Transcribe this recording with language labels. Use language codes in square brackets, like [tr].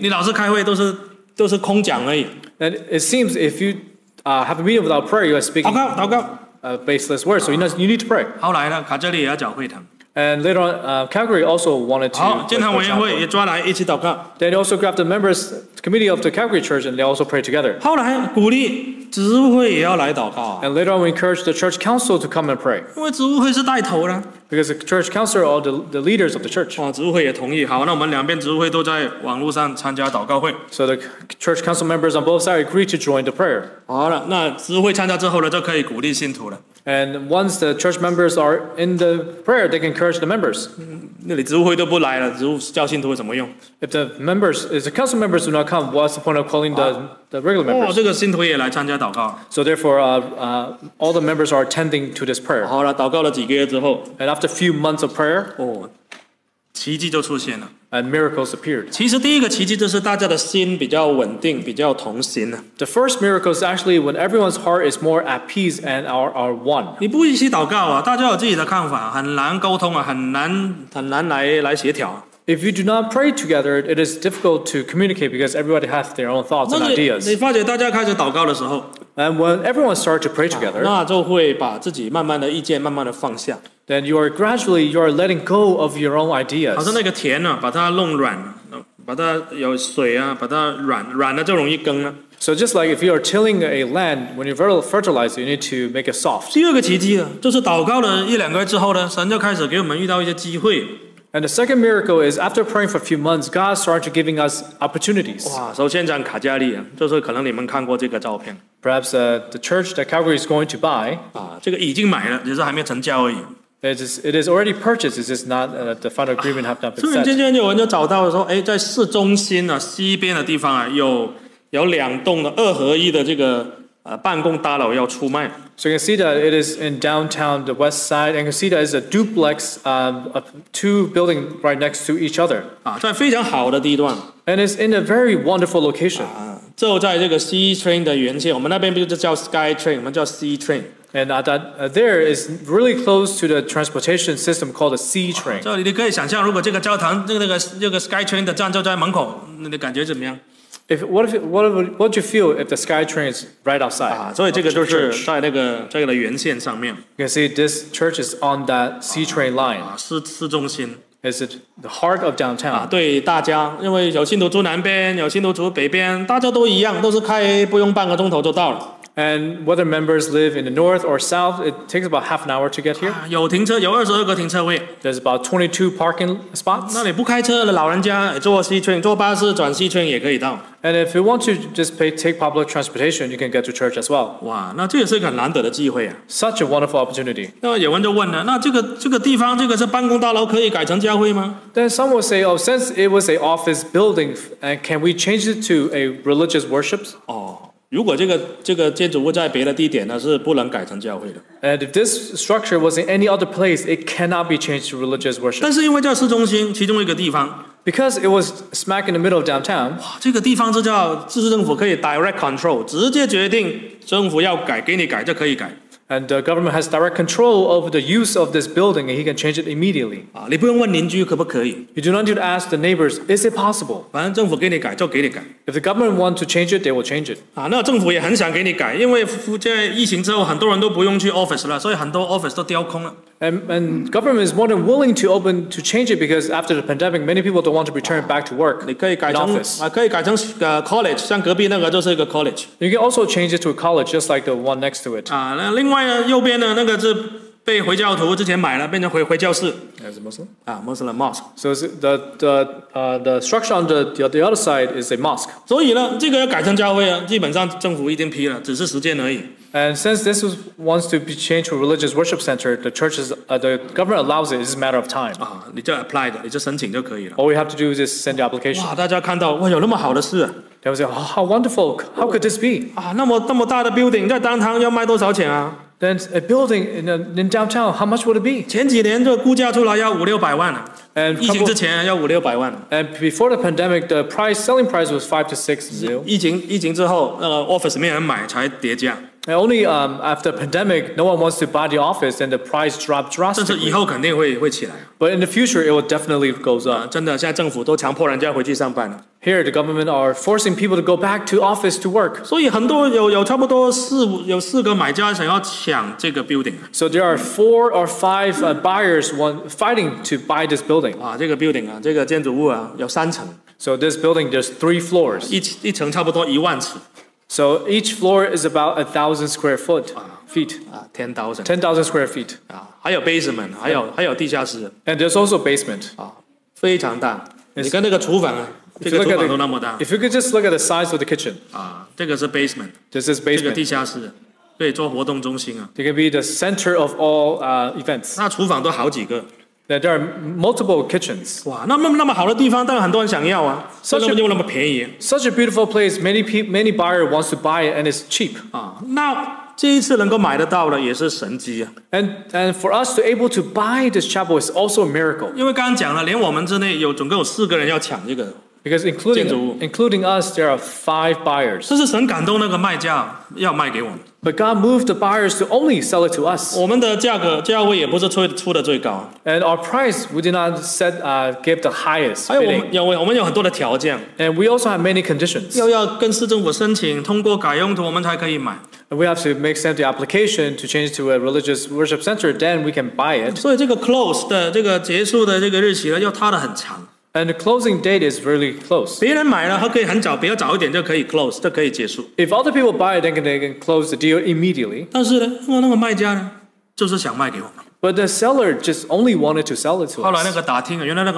[zh] 你老是开会都是空讲而已。 [en] And it seems if you have a meeting without prayer, you are speaking baseless words. So you need to pray. [zh] 后来呢，卡加利也要找会堂。 [en] And later on, Calgary also wanted to. [zh] 好，建堂委员会也抓来一起祷告。 [en] Then they also grabbed the members committee of the Calgary Church and they also prayed together. [zh] 后来鼓励执务会也要来祷告、啊。 [en] And later on, we encouraged the church council to come and pray. [zh] 因为执务会是带头的。 [en] Because the church council are the leaders of the church. [zh] 哦，执务会也同意。好，那我们两边执务会都在网络上参加祷告会。 [en] So the church council members on both sides agreed to join the prayer. [zh] 好了，那执务会参加之后呢，就可以鼓励信徒了。 [en] And once the church members are in the prayer, they can encourage the members. [zh] 那你执务会都不来了，执务叫信徒有什么用 [en] ？If the members, if the council members do not come, what's the point of calling the regular members? [zh] 哦，这个信徒也来参加祷告。 [en] So therefore, all the members are attending to this prayer. [zh] 好了，祷告了几个月之后 [en] ，and after a few months of prayer, [zh] 奇迹就出现了。 [en] And miracles appeared. [zh] 其实第一个奇迹就是大家的心比较稳定，比较同心呢。 [en] The first miracle is actually when everyone's heart is more at peace and are one. [zh] 你不一起祷告啊，大家有自己的看法，很难沟通啊，很难来协调。 [en] If you do not pray together, it is difficult to communicate because everybody has their own thoughts and ideas. [zh] 你发觉大家开始祷告的时候 [en] ，And when everyone starts to pray together, [zh] 那就会把自己慢慢的意见慢慢的放下。 [en] Then you are gradually you are letting go of your own ideas. [zh] 好像那个田呢、啊，把它弄软，把它有水啊，把它软了就容易耕了。 [en] So just like if you are tilling a land, when you fertilize, you need to make it soft. [zh] 第二个奇迹呢、啊，就是祷告了一两个月之后呢，神就开始给我们遇到一些机会。 [en] And the second miracle is after praying for a few months, God started giving us opportunities. [zh] 哇，首先讲卡加利，就是可能你们看过这个照片。 [en] Perhaps the church that Calgary is going to buy. [zh] 这个已经买了，只是还没成交而已。 [en] It is already purchased. It's just not the final agreement have not been set. [zh] 渐渐有人就找到了说，哎，在市中心啊西边的地方啊，有两栋的二合一的这个办公大楼要出卖。 [en] So you can see that it is in downtown the west side, and you can see that it's a duplex, two building right next to each other. [zh] 在非常好的地段。 [en] And it's in a very wonderful location. [zh] 就在这个 C train 的原线，我们那边不就叫 Sky Train， 我们叫 C Train。 [en] And that there is really close to the transportation system called the C train. [zh] 这里你可以想象，如果这个教堂这个 Sky Train 的站就在门口，那你感觉怎么样？ [en] What do you feel if the sky train is right outside? [zh] 所以这个就是在那个沿线上面。 [en] You can see this church is on that C train line. [zh] 市中心。 [en] Is it the heart of downtown? [zh] 对大家，因为有信徒住南边，有信徒住北边，大家都一样，都是开不用半个钟头就到了。 [en] And whether members live in the north or south, it takes about half an hour to get here. [zh] 有停车，有22个停车位。 [en] There's about 22 parking spots. [zh] 那你不开车，老人家坐西圈，坐巴士转西圈也可以到。 [en] And if you want to just take public transportation, you can get to church as well. [zh] 哇，那这也是一个很难得的机会啊。 [en] Such a wonderful opportunity. [zh] 那有人就问了，那这个地方，这个是办公大楼，可以改成教会吗？ [en] Then some will say, oh, since it was an office building, and can we change it to a religious worship? [zh] 哦。如果这个建筑物在别的地点呢，是不能改成教会的。 [en] And if this structure was in any other place, it cannot be changed to religious worship. [zh] 但是因为在市中心其中一个地方， [en] Because it was smack in the middle of downtown, [zh] 这个地方就叫自治政府可以 [en] direct control， [zh] 直接决定政府要改，给你改就可以改。 [en] And the government has direct control over the use of this building, and he can change it immediately. [zh] 你不用问邻居可不可以。 [en] You do not need to ask the neighbors, is it possible? [zh] 反正政府给你改就给你改。 [en] If the government wants to change it, they will change it. [zh] 那政府也很想给你改，因为在疫情之后，很多人都不用去 office 了，所以很多 office 都丢空了。 [en] And government is more than willing to open to change it because after the pandemic, many people don't want to return back to work. [zh] 你可以改成 college， 像隔壁那个就是一个 college. [en] You can also change it to a college, just like the one next to it. [zh] 那另外右边的那个是被回教徒之前买了，变成回教室。 [en] As a Muslim? Muslim mosque. So the structure on the other side is a mosque. [zh] 所以呢，这个要改成教会啊，基本上政府已经批了，只是时间而已。 [en] And since this wants to be changed to a religious worship center, the churches, the government allows it. It's a matter of time. [zh] 你就 apply 的，你就申请就可以了。 [en] All we have to do is just send the application. [zh] 哇，大家看到，哇，有那么好的事。 [en] They will say, oh, how wonderful! How could this be? [zh] 那么大的 building 在downtown要卖多少钱啊？ [en] Then a building in downtown, how much would it be? [zh] 前几年就估价出来要5-6百万了。 [en] And [zh] 疫情之前要5-6百万。 [en] And before the pandemic, the selling price was 5-6 million. [zh] 疫情之后，office 没人买，才叠价。 [en] And only after the pandemic, no one wants to buy the office, and the price dropped drastically. [zh] 但是以后肯定会起来。 [en] But in the future, it will definitely go up. [zh] 真的，现在政府都强迫人家回去上班了。 [en] Here, the government are forcing people to go back to office to work. [zh] 所以很多有差不多四个买家想要抢这个 building. [en] So there are 4 or 5 buyers fighting to buy this building. [zh] 哇，这个 building 啊，这个建筑物啊，有3层。 [en] So this building, there's 3 floors. [zh] 一层差不多1万尺。 [en] So each floor is about 1,000 square feet. 10,000 square feet. [zh] 还有 basement， 还有地下室。 [en] And there's also basement. [zh] 非常大，你跟那个厨房，这个厨房都那么大。 [en] If you could just look at the size of the kitchen. [zh] 这个是 basement. [en] This is basement. [zh] 这个地下室，可以做活动中心啊。 [en] It can be the center of all events. [zh] 那厨房都好几个。 [en] There are multiple kitchens. [zh] 哇，那么好的地方，当然很多人想要啊。 [en] Such a beautiful place, many buyers want to buy it, and it's cheap. [zh] 那这一次能够买得到的，也是神迹啊。 [en] And for us to able to buy this chapel is also a miracle. [zh] 因为刚刚讲了，连我们之内有总共有4个人要抢这个。 [en] Because including us, there are 5 buyers. [zh] 这是神感动那个卖家要卖给我们。 [en] But God moved the buyers to only sell it to us. [zh] 我们的价格价位也不是出的最高。 [en] And our price, we did not set give the highest bidding. [zh] 我们有很多的条件。 [en] And we also have many conditions. [zh] 要跟市政府申请通过改用途，我们才可以买。 [en] We have to make sense the application to change to a religious worship center, then we can buy it. [zh] 所以这个 close 的这个结束的这个日期呢，要拉得很长。 [en] And the closing date is really close. [zh] 别人买了，他可以很早，比较早一点就可以 close， 就可以结束。 [en] If other people buy it, then they can close the deal immediately. [zh] 但是呢，那个卖家呢，就是想卖给我们。 [en] But the seller just only wanted to sell it to us.